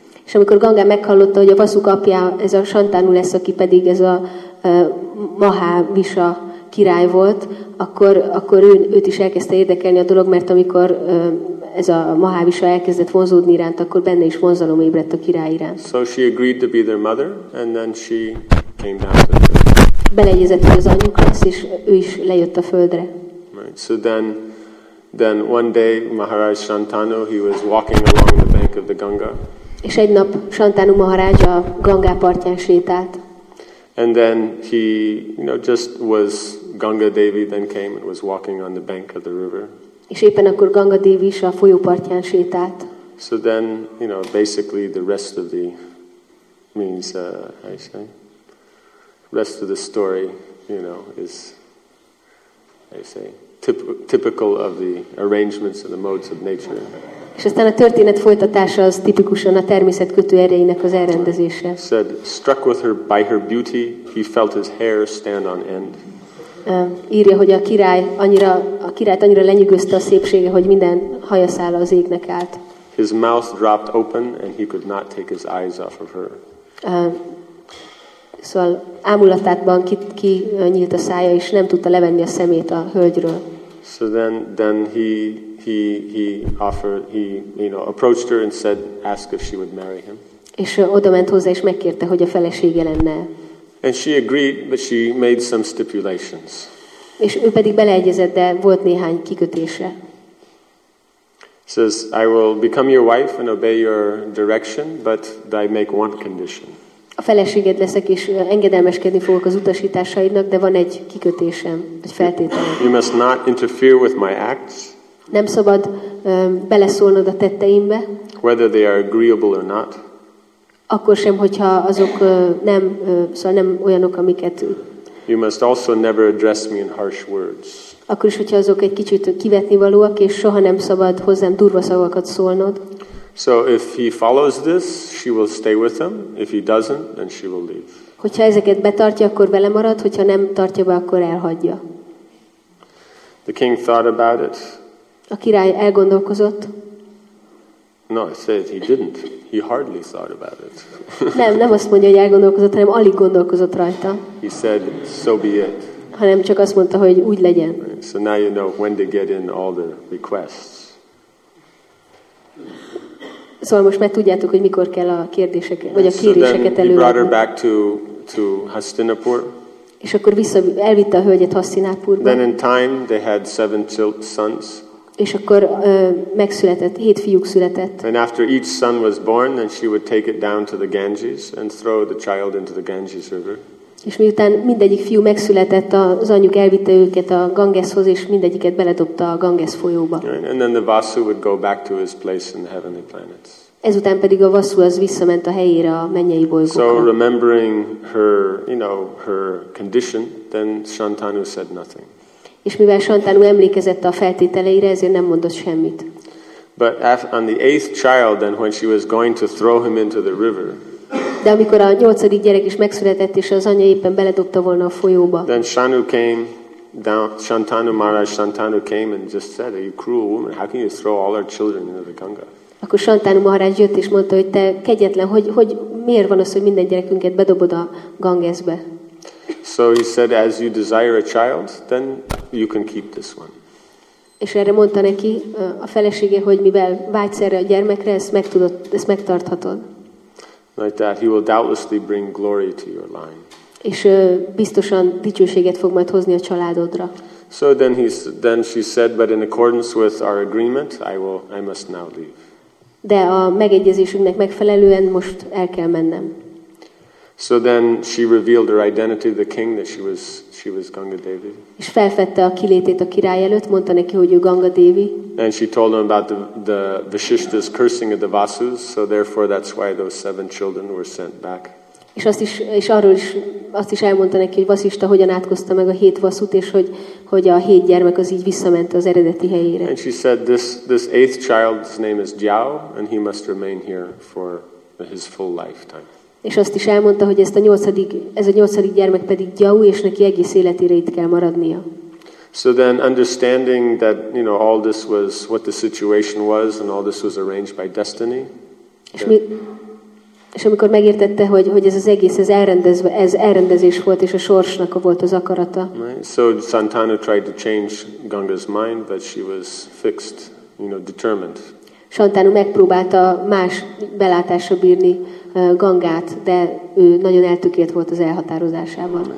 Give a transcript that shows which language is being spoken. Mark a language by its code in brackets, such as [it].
[hu] És amikor Ganga meghallotta, hogy a Vasuk apja ez a Shantanu lesz, aki pedig ez a Mahavisha király volt, akkor őt is elkezdte érdekelni a dolog, mert amikor ez a Mahavisha elkezdett vonzódni iránt, akkor benne is vonzalom ébredt a király iránt. [en] So she agreed to be their mother, and then she came down to earth. [hu] Beleegyezett, hogy az anyjuk lesz, és ő is lejött a földre. [en] Right. So then one day Maharaj Shantanu, he was walking along the bank of the Ganga. [hu] És egy nap Shantanu Maharaj a Ganga partján sétált. [en] And then he, you know, just was Ganga Devi then came and was walking on the bank of the river. [hu] És éppen akkor Ganga Devi is a folyópartján sétált. [en] So then, you know, basically the rest of the means, I say, rest of the story, you know, is, I say, typical of the arrangements and the modes of nature. [hu] És aztán a történet folytatása az tipikusan a természet kötőerejének az elrendezése. [en] Said, struck with her by her beauty, he felt his hair stand on end. [hu] Írja, hogy a királyt annyira lenyűgözte a szépsége, hogy minden hajaszála az égnek állt. [en] His mouth dropped open and he could not take his eyes off of her. [hu] Szóval ámulatában ki nyílt a szája, és nem tudta levenni a szemét a hölgyről. [en] So then he approached her and said, ask if she would marry him. [hu] És oda ment hozzá, és megkérte, hogy a felesége lenne. [en] And she agreed, but she made some stipulations. [hu] És ő pedig beleegyezett, de volt néhány kikötése. [en] Says, I will become your wife and obey your direction, but I make one condition. [hu] A feleséged leszek, és engedelmeskedni fogok az utasításaidnak, de van egy kikötésem, egy feltételem. [en] You must not interfere with my acts. [hu] Nem szabad beleszólnod a tetteimbe. [en] Whether they are agreeable or not. [hu] Akkor sem, hogyha azok nem olyanok, amiket. [en] You must also never address me in harsh words. [hu] Akkor is, hogyha azok egy kicsit kivetnivalóak, és soha nem szabad hozzám durva szavakat szólnod. [en] So if he follows this, she will stay with him. If he doesn't, then she will leave. [hu] Hogyha ezeket betartja, akkor vele marad, hogyha nem tartja be, akkor elhagyja. [en] The king thought about it. [hu] A király elgondolkozott. [en] No, I said he didn't. He hardly thought about it. [hu] Nem azt mondja, hogy elgondolkozott, hanem alig gondolkozott rajta. [en] He said, so be it. [hu] Hanem csak azt mondta, hogy úgy legyen. [en] So now you know when to get in all the requests. [hu] Szóval most már tudjátok, hogy mikor kell a kérdéseket, vagy a kéréseket előadni. [en] He brought her back to Hastinapur. [hu] És akkor vissza elvitte a hölgyet Hastinapurba. [en] Then in time they had 7 sons. [hu] És akkor megszületett, 7 fiúk született. [en] And after each son was born, then she would take it down to the Ganges and throw the child into the Ganges river. [hu] És miután mindegyik fiú megszületett, az anyjuk elvitte őket a Gangeshoz, és mindegyiket beledobta a Ganges folyóba. [en] And then the Vasu would go back to his place in the heavenly planets. [hu] Ezután pedig a Vasu az visszament a helyére a mennyei bolygókra. [en] So remembering her, you know, her condition, then Shantanu said nothing. [hu] És mivel Shantanu emlékezett a feltételeire, ezért nem mondott semmit. [en] But on the 8th child, then when she was going to throw him into the river. [hu] De amikor a 8. gyerek is megszületett, és az anya éppen beledobta volna a folyóba. [en] Then Shanu came down, Shantanu Maharaj, Shantanu came and just said, are you cruel woman? How can you throw all our children into the Ganga? [hu] Akkor Shantanu Maharaj jött és mondta, hogy te kegyetlen, hogy miért van az, hogy minden gyerekünket bedobod a Gangesbe? [en] So he said, as you desire a child, then you can keep this one. [hu] És erre mondta neki a felesége, hogy mivel vágysz erre a gyermekre, ezt megtarthatod. [en] Like that, he will doubtlessly bring glory to your line. [hu] És biztosan dicsőséget fog majd hozni a családodra. [en] So then she said, but in accordance with our agreement, I must now leave. [hu] De a megegyezésünknek megfelelően most el kell mennem. [en] So then she revealed her identity to the king that she was Ganga Devi. [hu] És felfedte a kilétét a király előtt, mondta neki, hogy ő Ganga Devi. [en] And she told him about the Vasishtha's cursing of the Vasus, so therefore that's why those 7 children were sent back. [hu] És azt is elmondta neki, hogy Vasishtha hogyan átkozta meg a 7 Vasut, és hogy a 7 gyermek az így visszament az eredeti helyére. [en] And she said this 8th child's name is Jiao, and he must remain here for his full lifetime. [hu] És azt is elmondta, hogy ez a nyolcadik gyermek pedig Jiao, és neki egész életére itt kell maradnia. [en] So then understanding that, you know, all this was what the situation was and all this was arranged by destiny. [hu] És amikor megértette, hogy ez az egész ez elrendezés volt, és a sorsnak volt az akarata. [en] Right. So Shantanu tried to change Ganga's mind, but she was fixed, you know, determined. [hu] Shantanu megpróbálta más belátásra bírni Gangát, de ő nagyon eltökélt volt az elhatározásában.